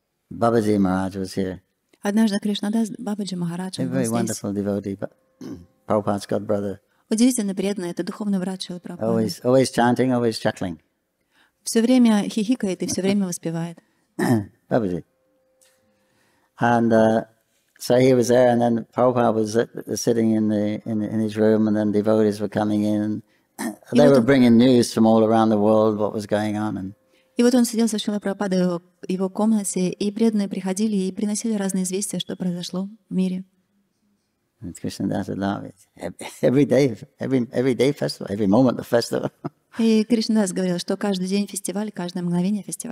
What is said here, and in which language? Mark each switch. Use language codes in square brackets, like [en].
[en] Бабаджи Махарадж was here. [ru] Однажды Кришнадас Бабаджи Махарадж был здесь. [en] A very wonderful devotee, Prabhupada's god brother. [ru] Удивительно преданный, это духовный брат Шрилы Прабхупады. [en] Always chanting, always chuckling. [ru] Все время хихикает и все время воспевает. Бабаджи. [en] And so he was there, and then Prabhupada was sitting in his room, and then devotees were coming in. They were bringing news from all around the world what was going on. And [ru] и вот он сидел со Шрилой Прабхупадой в его комнате, и преданные приходили и приносили разные известия, что произошло в мире. И Кришнадас говорил, что каждый день фестиваль, каждое мгновение